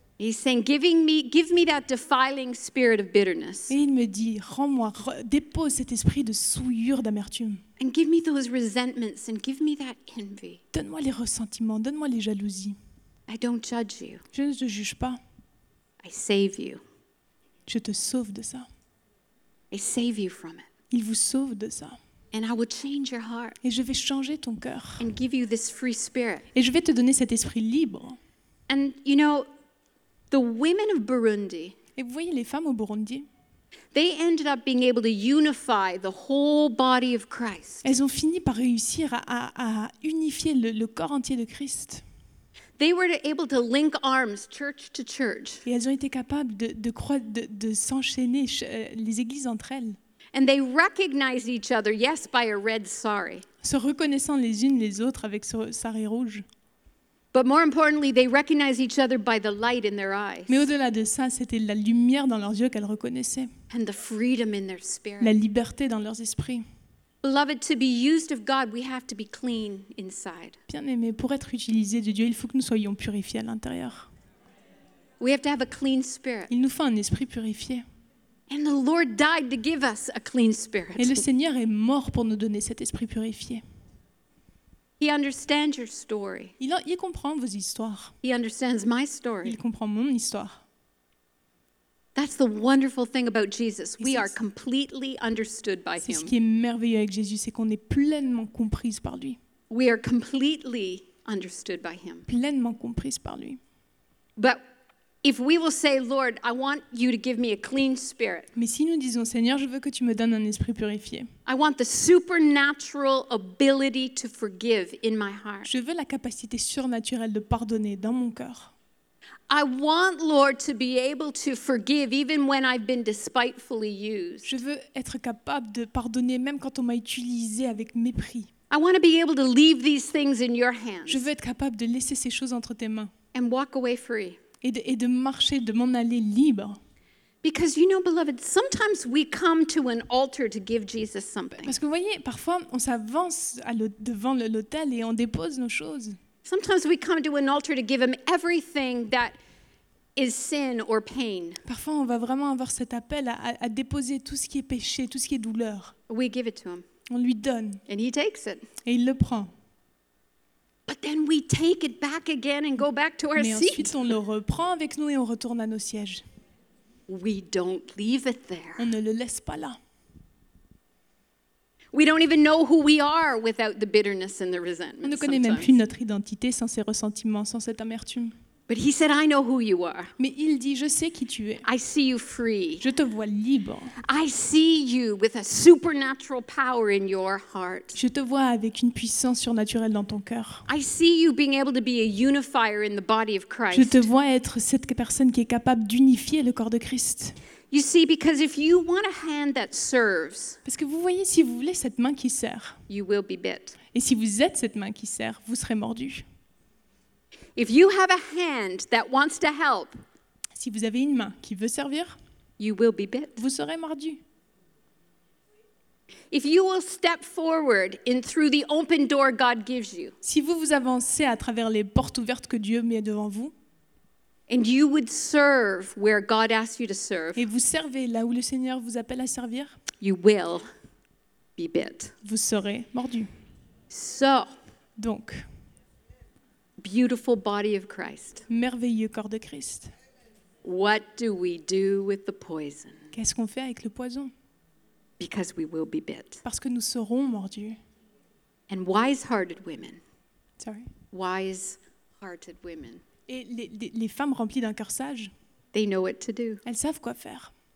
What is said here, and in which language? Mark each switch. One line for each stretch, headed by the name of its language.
English: He's saying, give me that defiling spirit of bitterness.
French: Et il me dit, rends-moi, dépose cet esprit de souillure d'amertume.
English: And give me those resentments and give me that envy.
French: Donne-moi les ressentiments, donne-moi les jalousies.
English: I don't judge you.
French: Je ne te juge pas.
English: I save you.
French: Je te sauve de ça.
English: I save you from it.
French: Il vous sauve de ça.
English: And I will change your heart.
French: Et je vais changer ton cœur.
English: And give you this free spirit.
French: Et je vais te donner cet esprit libre.
English: And you know, the women of Burundi.
French: Et vous voyez les femmes au Burundi.
English: They ended up being able to unify the whole body of Christ.
French: Elles ont fini par réussir à unifier le corps entier de Christ.
English: They were able to link arms church to church.
French: Et elles ont été capables de s'enchaîner les églises entre elles.
English: And they recognize each other, yes, by a red sari.
French: Se reconnaissant les unes les autres avec ce sari rouge.
English: But more importantly, they recognize each other by the light in their eyes.
French: Mais au-delà de ça, c'était la lumière dans leurs yeux qu'elles reconnaissaient.
English: And the freedom in their spirit.
French: La liberté dans leurs esprits.
English: Beloved, to be used of God, we have to be clean inside.
French: Bien-aimés, pour être utilisés de Dieu, il faut que nous soyons purifiés à l'intérieur.
English: We have to have a clean spirit.
French: Il nous faut un esprit purifié.
English: And the Lord died to give us a clean spirit.
French: Et le Seigneur est mort pour nous donner cet esprit purifié.
English: He understands your story.
French: Il comprend vos histoires.
English: He understands my story.
French: Il comprend mon histoire.
English: That's the wonderful thing about Jesus. We are completely understood by him.
French: C'est ce qui est merveilleux avec Jésus, c'est qu'on est pleinement comprise par lui.
English: We are completely understood by him.
French: Pleinement comprise par lui.
English: But if we will say, Lord, I want you to give me a clean spirit.
French: Mais si nous disons, Seigneur, je veux que tu me donnes un esprit purifié.
English: I want the supernatural ability to forgive in my heart.
French: Je veux la capacité surnaturelle de pardonner dans mon cœur.
English: I want, Lord, to be able to forgive even when I've been despitefully used.
French: Je veux être capable de pardonner même quand on m'a utilisé avec mépris.
English: I want to be able to leave these things in your hands.
French: Je veux être capable de laisser ces choses entre tes mains.
English: And walk away free.
French: Et de marcher, de m'en aller libre.
English: Because you know, beloved, sometimes we come to an altar to give Jesus something.
French: Parce que vous voyez, parfois on s'avance devant l'autel et on dépose nos choses.
English: Sometimes we come to an altar to give him everything that is sin or pain.
French: Parfois on va vraiment avoir cet appel à déposer tout ce qui est péché, tout ce qui est douleur.
English: We give it to him.
French: On lui donne.
English: And he takes it.
French: Et il le prend.
English: But then we take it back again and go back to our seat.
French: Mais ensuite,
English: seat.
French: On le reprend avec nous et on retourne à nos sièges.
English: We don't leave it there.
French: On ne le laisse pas là.
English: We don't even know who we are without the bitterness and the resentment.
French: On ne connaît même plus notre identité sans ces ressentiments, sans cette amertume.
English: But he said, "I know who you are."
French: Mais il dit, je sais qui tu es.
English: I see you free.
French: Je te vois libre.
English: I see you with a supernatural power in your heart.
French: Je te vois avec une puissance surnaturelle dans ton cœur.
English: I see you being able to be a unifier in the body of Christ.
French: Je te vois être cette personne qui est capable d'unifier le corps de Christ.
English: You see, because if you want a hand that serves,
French: parce que vous voyez, si vous voulez cette main qui sert,
English: you will be bit.
French: Et si vous êtes cette main qui sert, vous serez mordu.
English: If you have a hand that wants to help,
French: si vous avez une main qui veut servir,
English: you will be bit.
French: Vous serez mordu.
English: If you will step forward in through the open door God gives you,
French: si vous vous avancez à travers les portes ouvertes que Dieu met devant vous,
English: and you would serve where God asks you to serve,
French: et vous servez là où le Seigneur vous appelle à servir,
English: you will be bit.
French: Vous serez mordu.
English: So,
French: donc,
English: beautiful body of Christ.
French: Merveilleux corps de Christ.
English: What do we do with the poison?
French: Qu'est-ce qu'on fait avec le poison?
English: Because we will be bit.
French: Parce que nous serons mordus.
English: And wise-hearted women. Sorry. Wise-hearted women.
French: Et les femmes remplies d'un cœur sage.
English: They know what to do.
French: Elles savent quoi faire.